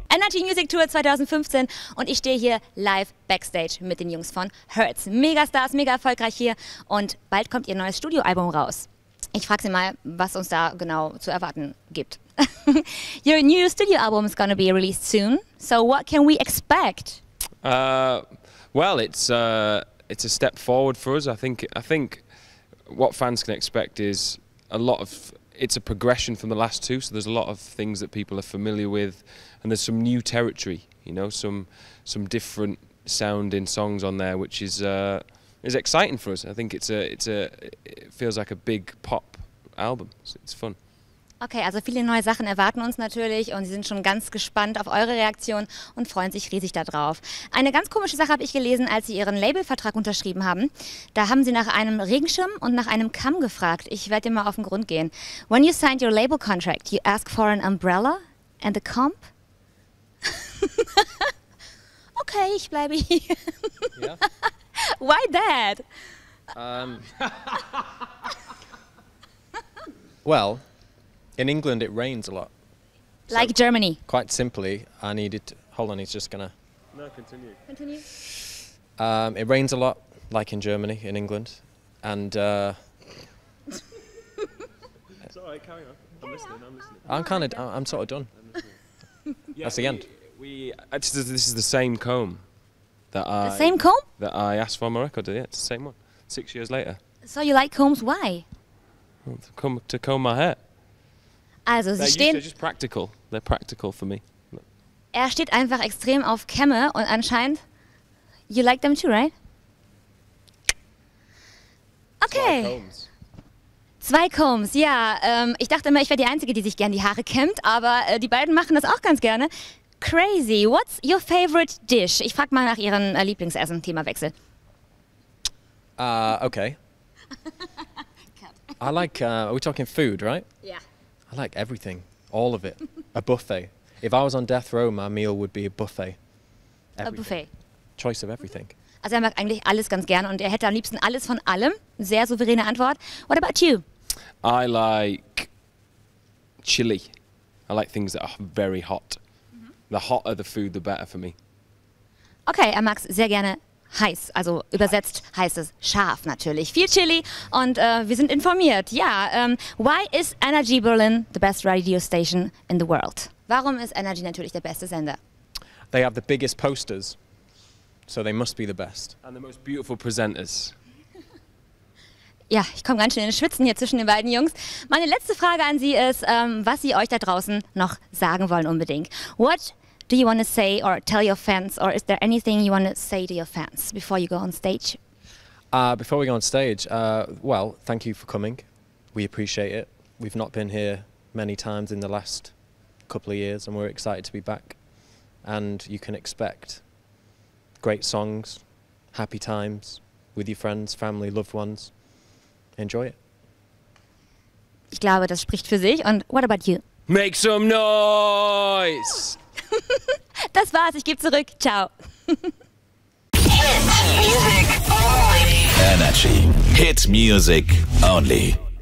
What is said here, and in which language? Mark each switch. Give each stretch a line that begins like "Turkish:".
German: Energy Music Tour 2015 und ich stehe hier live backstage mit den Jungs von Hertz. Megastars, mega erfolgreich hier und bald kommt ihr neues Studioalbum raus. Ich frage sie mal, was uns da genau zu erwarten gibt.
English: Your new studio album is going to be released soon. So what can we expect? It's a step forward for us. I think what fans can expect is it's a progression from the last two, so there's a lot of things that people are familiar with and there's some new territory, you know, some different sounding songs on there, which is exciting for us. I think it feels like a big pop album. It's fun.
German: Okay, also viele neue Sachen erwarten uns natürlich und sie sind schon ganz gespannt auf eure Reaktion und freuen sich riesig darauf. Eine ganz komische Sache habe ich gelesen, als sie ihren Labelvertrag unterschrieben haben. Da haben sie nach einem Regenschirm und nach einem Kamm gefragt. Ich werde dir mal auf den Grund gehen.
English: When you signed your label contract, you asked for an umbrella and a comb?
German: Okay, ich bleibe hier.
English: Yeah. Why that? Well, in England, it rains a lot. Like Germany. Quite simply, I needed to, hold on, he's just gonna. No, continue. Continue. It rains a lot, like in Germany, in England. And, sorry, carry on. I'm listening. I'm sort of done. That's the end. This is the same comb that I. The same comb? That I asked for on my record, yeah, it's the same one. 6 years later. So you like combs, why? To comb my hair.
German: Also, sie stehen.
English: They're just practical. They're practical for me.
German: Er steht einfach extrem auf Kämme und anscheinend.
English: You like them too, right? Okay.
German: Zwei Combs, ja. Ich dachte immer, ich wäre die Einzige, die sich gern die Haare kämmt, aber die beiden machen das auch ganz gerne.
English: Crazy. What's your favorite dish?
German: Ich frag mal nach ihrem Lieblingsessen. Themawechsel.
English: Okay. I like. Are we talking food, right? Yeah. I like everything, all of it. A buffet. If I was on death row, my meal would be a buffet. Everything. A buffet. Choice of everything.
German: Also er mag eigentlich alles ganz gern und er hätte am liebsten alles von allem. Sehr souveräne Antwort.
English: What about you? I like chili. I like things that are very hot. Mm-hmm. The hotter the food, the better for me.
German: Okay, er mag es sehr gerne heiß. Also übersetzt heißt es scharf natürlich. Viel Chili und wir sind informiert. Ja,
English: why is Energy Berlin the best radio station in the world?
German: Warum ist Energy natürlich der beste Sender?
English: They have the biggest posters, so they must be the best. And the most beautiful presenters.
German: Ja, ich komme ganz schön in den Schwitzen hier zwischen den beiden Jungs. Meine letzte Frage an Sie ist, was Sie euch da draußen noch sagen wollen unbedingt.
English: What do you want to say or tell your fans, or is there anything you want to say to your fans before you go on stage? Before we go on stage, thank you for coming. We appreciate it. We've not been here many times in the last couple of years and we're excited to be back. And you can expect great songs, happy times with your friends, family, loved ones. Enjoy it.
German: Ich glaube, das spricht für sich. Und
English: what about you? Make some noise!
German: Das war's, ich gebe zurück. Ciao.
English: Hit Music Only. Energy. Hit Music Only.